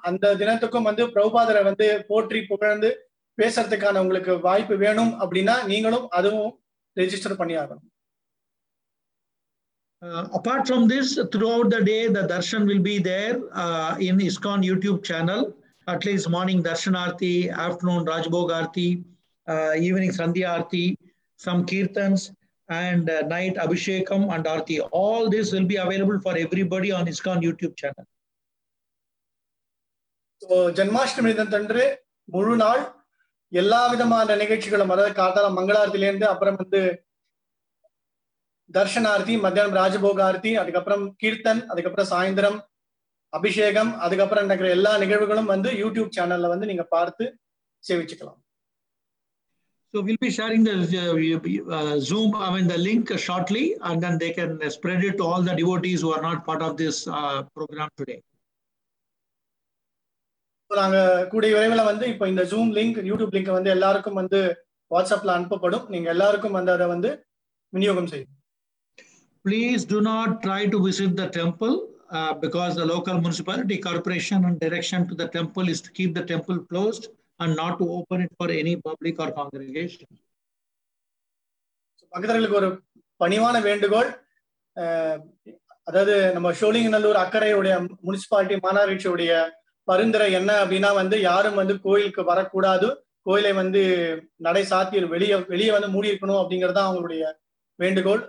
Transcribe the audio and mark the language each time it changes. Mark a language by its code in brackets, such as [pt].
[ta] அந்த தினத்துக்கும் வந்து பிரபுபாதரை வந்து போற்றி புகழ்ந்து பேசுறதுக்கான உங்களுக்கு வாய்ப்பு வேணும் அப்படின்னா நீங்களும் அதுவும் register பண்ணியாகணும். [en] Apart from this, throughout the day, the darshan will be there in ISKCON YouTube channel. At least morning darshanarthi, afternoon rajbhogarthi, evening sandhyarthi, some kirtans, and night abhishekam and arthi. All this will be available for everybody on ISKCON YouTube channel. [ta] So, Janmashtami தினத்தன்று முழு நாள் எல்லா விதமான நிகழ்ச்சிகளும், அதாவது காட்டாளம் மங்களாரத்திலேருந்து அப்புறம் வந்து தர்ஷனார்த்தி, மத்தியானம் ராஜபோக ஆர்த்தி, அதுக்கப்புறம் கீர்த்தன், அதுக்கப்புறம் சாயந்தரம் அபிஷேகம், அதுக்கப்புறம் நடக்கிற எல்லா நிகழ்வுகளும் வந்து யூடியூப் சேனல்ல வந்து நீங்க பார்த்து சேவிச்சுக்கலாம். [en] So we'll be sharing the Zoom, I mean the link shortly, and then they can spread it to all the devotees who are not part of this program today. [ta] நாங்க கூடிய விரைவில் வந்து இப்ப இந்த ஜூம் லிங்க், யூடியூப் லிங்க் வந்து எல்லாருக்கும் வந்து வாட்ஸ்அப்ல அனுப்பப்படும். நீங்க எல்லாருக்கும் வந்து அதை வந்து விநியோகம் செய்யும். [en] Please do not try to visit the temple because the local municipality corporation and direction to the temple is to keep the temple closed and not to open it for any public or congregation. [ta] பக்தர்களுக்கு ஒரு பணிவான வேண்டுகோள், அதாவது நம்ம Sholinganallur அக்கறையுடைய municipality மாநகராட்சியுடைய பரிந்துரை என்ன அப்படின்னா வந்து யாரும் வந்து கோயிலுக்கு வரக்கூடாது, கோயிலை வந்து நடை சாத்தியர் வெளியே வந்து மூடி இருக்கணும் அப்படிங்கறத அவங்களுடைய வேண்டுகோள்.